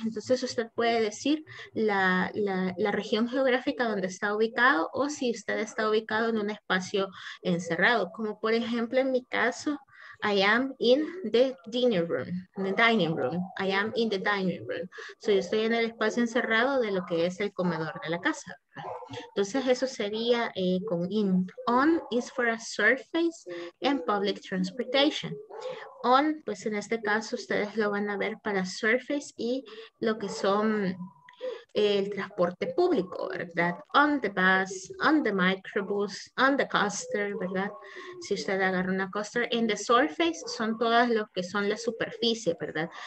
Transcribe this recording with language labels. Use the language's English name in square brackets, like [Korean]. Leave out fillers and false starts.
[Spanish] Entonces usted puede decir la región geográfica donde está ubicado, o si usted está ubicado en un espacio encerrado, como por ejemplo en mi caso, [English] I am in the dining room, [Spanish] I am in the dining room. So yo estoy en el espacio encerrado de lo que es el comedor de la casa. Entonces eso sería con in. [English] On is for a surface and public transportation. [Spanish] On, pues en este caso ustedes lo van a ver para surface y lo que son el transporte público, ¿verdad? [English] On the bus, on the microbus, on the coaster, ¿verdad? [Spanish] Si usted agarra una coaster, en the surface son todas lo que son la superficie, ¿verdad?